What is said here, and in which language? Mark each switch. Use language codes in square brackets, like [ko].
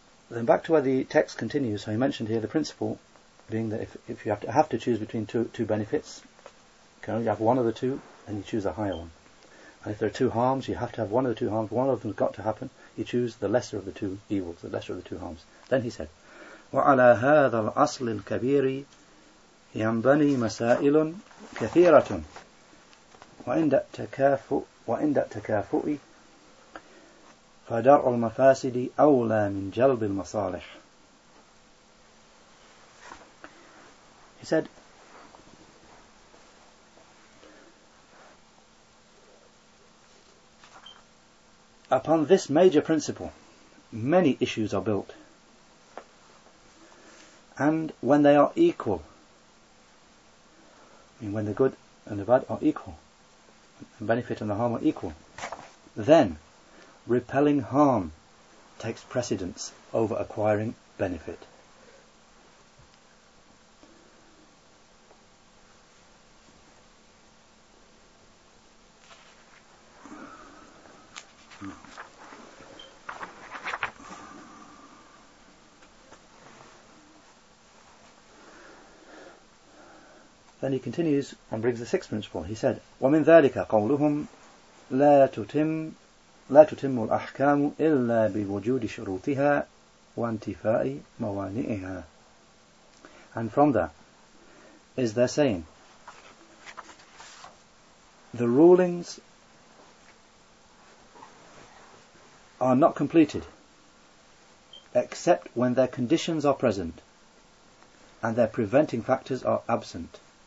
[en] Then back to where the text continues, so he mentioned here the principle being that if you have to choose between two benefits, you can only have one of the two, and you choose the higher one. And if there are two harms, you have to have one of the two harms, one of them has got to happen, you choose the lesser of the two evils, the lesser of the two harms. Then he said, [ar] وَعَلَى هَذَا الْأَصْلِ الْكَبِيرِ يَنْبَنِي مَسَائِلٌ كَثِيرَةٌ وَإِنْدَ تَكَافُؤِ فَدَرْءُ الْمَفَاسِدِ أَوْلَى مِنْ جَلْبِ الْمَصَالِحِ. [en] He said, upon this major principle, many issues are built. And when they are equal, I mean when the good and the bad are equal, the benefit and the harm are equal, then repelling harm takes precedence over acquiring benefit. Then he continues and brings the sixth principle. He said, [ar] وَمِنْ ذَلِكَ قَوْلُهُمْ لَا تُتِمُّ الْأَحْكَامُ إِلَّا بِوَجُودِ شُرُوطِهَا وَانْتِفَاءِ مَوَانِئِهَا. [en] And from that is their saying, the rulings are not completed except when their conditions are present and their preventing factors are absent.